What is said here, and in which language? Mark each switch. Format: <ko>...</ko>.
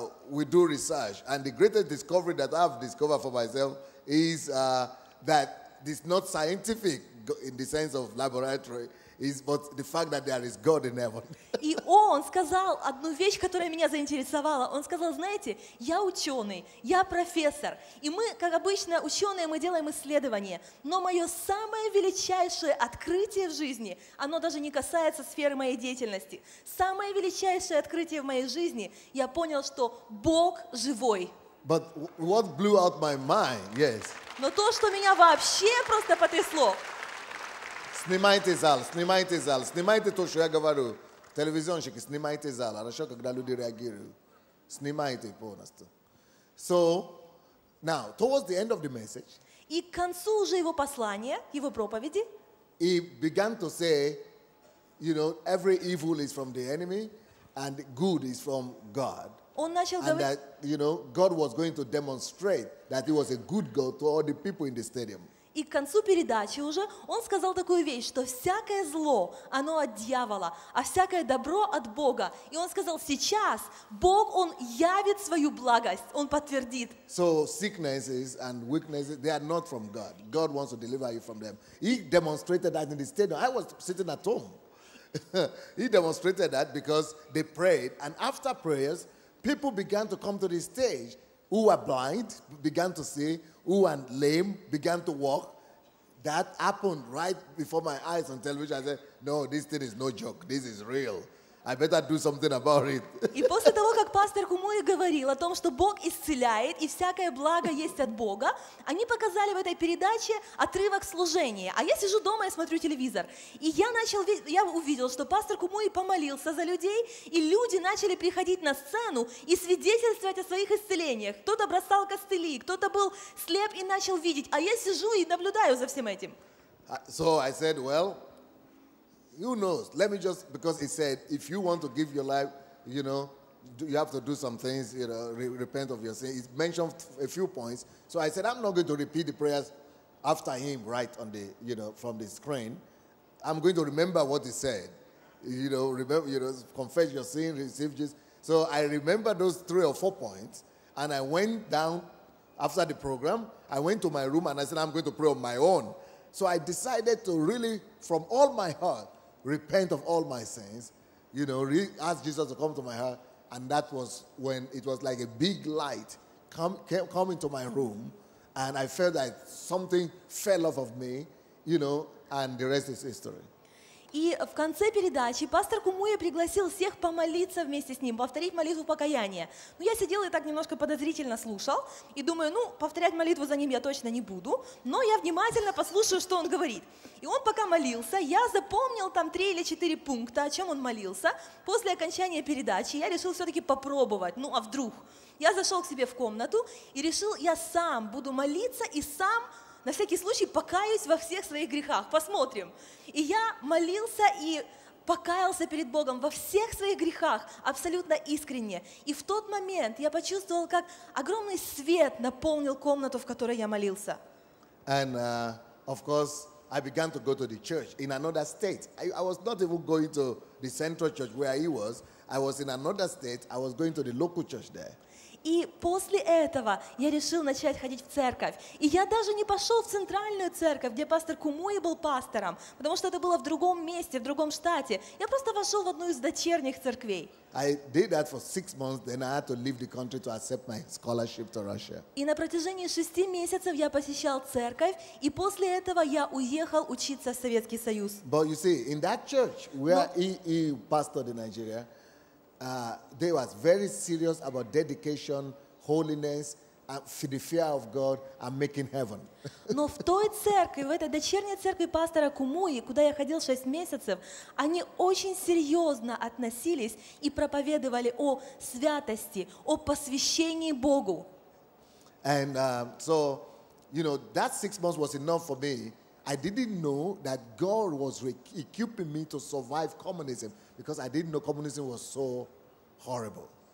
<en>we do research. And the greatest discovery that I've discovered for myself is that it's not scientific in the sense of laboratory, is but the fact that there is God in heaven.</en> <ru>И он сказал одну вещь, которая меня заинтересовала. Он сказал, знаете, я ученый, я профессор, и мы, как обычно ученые, мы делаем исследования, но мое самое величайшее открытие в жизни, оно даже не касается сферы моей деятельности. Самое величайшее открытие в моей жизни, я понял, что Бог живой.</ru> <en>But what blew out my mind, yes.</en> <ru>Но то, что меня вообще просто потрясло. Снимайте зал, снимайте зал, снимайте то, что я говорю. Телевизионщики, снимайте зал. Хорошо, когда люди реагируют. Снимайте полностью.</ru> <en>So, now, towards the end of the message,</en> <ru>и к концу уже его послания, его проповеди,</ru> <en>he began to say, you know, every evil is from the enemy, and good is from God.</en> <ru>Он начал говорить,</ru> <en>and that, you know, God was going to demonstrate that he was a good God to all the people in the stadium.</en> <ru>И к концу передачи уже он сказал такую вещь, что всякое зло, оно от дьявола, а всякое добро от Бога. И он сказал, сейчас Бог, он явит свою благость, он подтвердит.</ru> <en>So sicknesses and weaknesses, they are not from God. God wants to deliver you from them. He demonstrated that in the stadium. I was sitting at home. He demonstrated that because they prayed. And after prayers, people began to come to the stage. Who were blind began to see. Who were lame began to walk. That happened right before my eyes on television. I said, no, this thing is no joke. This is real. I better do something about it.</en> <ru>И после того, как пастор Кумуи говорил о том, что Бог исцеляет и всякое благо есть от Бога, они показали в этой передаче отрывок служения. А я сижу дома и смотрю телевизор. И я увидел, что пастор Кумуи помолился за людей, и люди начали приходить на сцену и свидетельствовать о своих исцелениях. Кто-то бросал костыли, кто-то был слеп и начал видеть. А я сижу и наблюдаю за всем этим.</ru> <en>So I said, well, who knows? Let me just, because he said, if you want to give your life, you know, you have to do some things, you know, repent of your sin. He mentioned a few points. So I said, I'm not going to repeat the prayers after him right on the, you know, from the screen. I'm going to remember what he said. You know, remember, you know, confess your sin, receive Jesus. So I remember those three or four points. And I went down after the program. I went to my room and I said, I'm going to pray on my own. So I decided to really, from all my heart, repent of all my sins, you know, ask Jesus to come to my heart. And that was when it was like a big light came into my room. And I felt like something fell off of me, you know, and the rest is history.</en> <ru>И в конце передачи пастор Кумуя пригласил всех помолиться вместе с ним, повторить молитву покаяния. Ну, я сидела и так немножко подозрительно слушал, и думаю, ну, повторять молитву за ним я точно не буду, но я внимательно послушаю, что он говорит. И он пока молился, я запомнил там 3 или 4 пункта, о чем он молился. После окончания передачи я решил все-таки попробовать, ну, а вдруг? Я зашел к себе в комнату и решил, я сам буду молиться и сам на всякий случай покаюсь во всех своих грехах. Посмотрим. И я молился и покаялся перед Богом во всех своих грехах абсолютно искренне. И в тот момент я почувствовал, как огромный свет наполнил комнату, в которой я молился.</ru> <en>And, of course, I began to go to the church in another state. I was not even going to the central church where he was. I was in another state. I was going to the local church there.</en> <ru>И после этого я решил начать ходить в церковь. И я даже не пошел в центральную церковь, где пастор Кумуи был пастором, потому что это было в другом месте, в другом штате. Я просто вошел в одну из дочерних церквей.</ru> <en>I did that for 6 months, then I had to leave the country to accept my scholarship to Russia.</en> <ru>И на протяжении 6 месяцев я посещал церковь, и после этого я уехал учиться в Советский Союз.</ru> <en>But you see, in that church where he pastored in Nigeria, they was very serious about dedication, holiness, the fear of God, and making heaven.</en> <ru>Но в той церкви, в этой дочерней церкви пастора Кумуи, куда я ходил 6 месяцев, они очень серьезно относились и проповедовали о святости, о посвящении Богу.</ru> <en>And so, you know, that 6 months was enough for me. I didn't know that God was equipping me to survive communism because I didn't know communism was so horrible.</en>